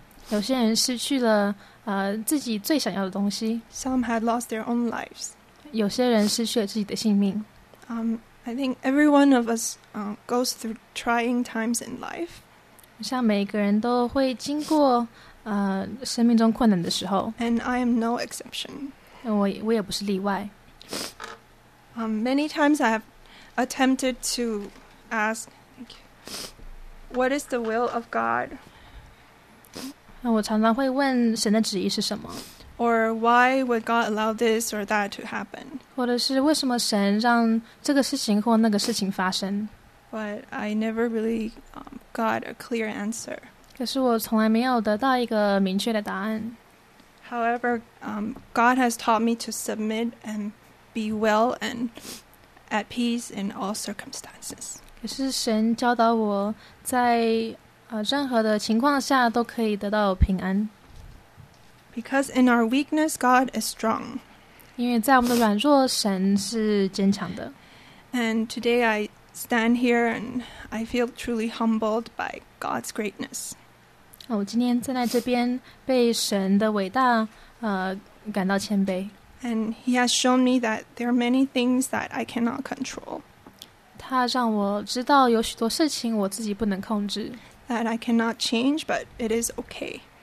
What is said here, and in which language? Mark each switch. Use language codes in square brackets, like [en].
[zh] 有些人失去了自己最想要的东西。 [en] Some had lost their own lives. [zh] 有些人失去了自己的性命。 [en] I think every one of us goes through trying times in life. [zh] 像每个人都会经过生命中困难的时候。 [en] And I am no exception. [zh] 我也不是例外。 [en] Many times I have attempted to ask, what is the will of God? [zh] 我常常会问神的旨意是什么。 [en] Or why would God allow this or that to happen? [zh] 或者是为什么神让这个事情或那个事情发生？ [en] But I never really got a clear answer. [zh] 可是我从来没有得到一个明确的答案。 [en] However, God has taught me to submit and be well and at peace in all circumstances. [zh] 可是神教导我在任何的情况下都可以得到平安。 [en] Because in our weakness, God is strong. [zh] 因为在我们的软弱，神是坚强的。 [en] And today I stand here and I feel truly humbled by God's greatness. [zh] 我今天站在这边，被神的伟大感到谦卑。 [en] And He has shown me that there are many things that I cannot control. [zh] 他让我知道有许多事情我自己不能控制。 [en] That I cannot change, but it is okay.